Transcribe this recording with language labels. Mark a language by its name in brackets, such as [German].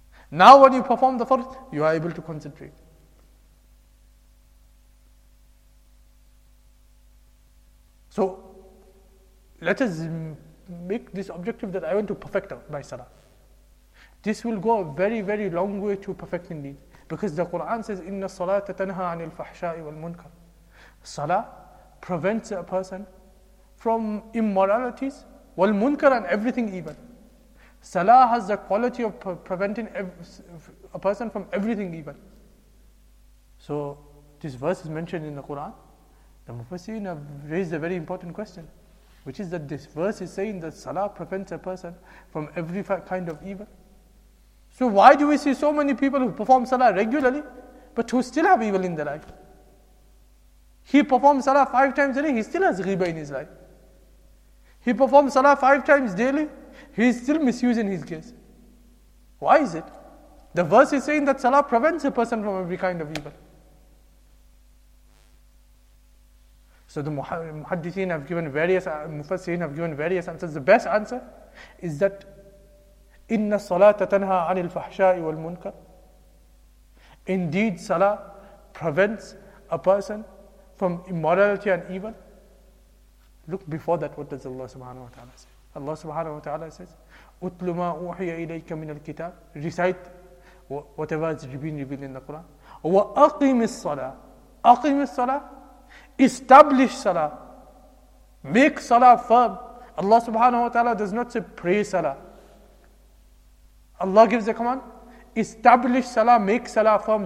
[English] Now when you perform the fard, you are able to concentrate. So, let us make this objective that I want to perfect my salah. This will go a very, very long way to perfecting deen. Because the Quran says, [Arabic] إِنَّ الصَّلَاةَ تَنْهَى عَنِ الْفَحْشَاءِ وَالْمُنْكَرِ. [English] Salah prevents a person from immoralities, [Arabic] وَالْمُنْكَرِ [English] and everything evil. Salah has the quality of preventing a person from everything evil. So, this verse is mentioned in the Quran. The Mufassirin have raised a very important question, which is that this verse is saying that Salah prevents a person from every kind of evil. So why do we see so many people who perform Salah regularly, but who still have evil in their life? He performs Salah 5 times a day, he still has ghibah in his life. He performs Salah 5 times daily, he is still misusing his gifts. Why is it? The verse is saying that Salah prevents a person from every kind of evil. So the Muhaddithin have given various, Mufassirin have given various answers. The best answer is that [Arabic] إن الصلاة تنهى عن الفحشاء والمنكر. [English] Indeed, Salah prevents a person from immorality and evil. Look before that, what does Allah subhanahu wa ta'ala say? Allah subhanahu wa ta'ala says, [Arabic] أُطْلُ مَا أُوحِيَ إِلَيْكَ مِنَ الْكِتَابِ. [English] Recite whatever has been revealed in the Quran. [Arabic] وَأَقِمِ الصَّلَاةِ. أَقِمِ الصَّلَاةِ. [English] Establish Salah. Make Salah firm. Allah subhanahu wa ta'ala does not say pray Salah. Allah gives a command, establish Salah, make Salah firm.